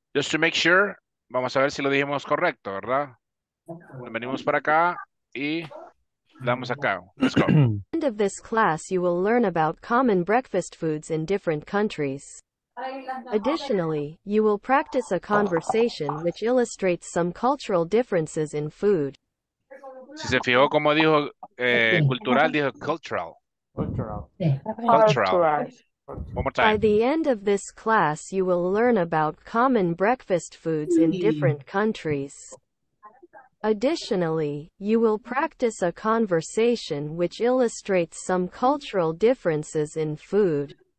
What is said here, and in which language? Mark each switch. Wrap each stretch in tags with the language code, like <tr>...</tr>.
<en>Just to make sure,</en> <es>vamos a ver si lo dijimos correcto, ¿verdad? Venimos para acá y damos acá.</es> <en>Let's go. End of this class, you will learn about common breakfast foods in different countries. Additionally, you will practice a conversation which illustrates some cultural differences in food.</en> <es>Si se fijó como dijo cultural, dijo cultural. Cultural.</es> <en>Cultural. One more time. By the end of this class, you will learn about common breakfast foods in different countries. Additionally, you will practice a conversation which illustrates some cultural differences in food.</en>